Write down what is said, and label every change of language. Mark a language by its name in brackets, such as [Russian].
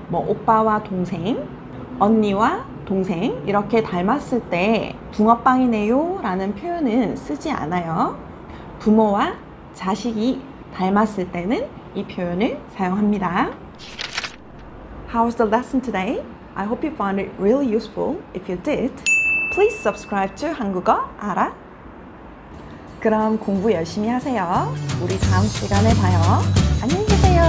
[Korean] 뭐 오빠와 동생, 언니와 동생 이렇게 닮았을 때 붕어빵이네요 라는 표현은 쓰지 않아요. 부모와 자식이 닮았을 때는 이 표현을 사용합니다. [English] How's the lesson today? I hope you found it really useful. If you did, please subscribe to 한국어 알아. [Korean] 그럼 공부 열심히 하세요. 우리 다음 시간에 봐요. 안녕히 계세요.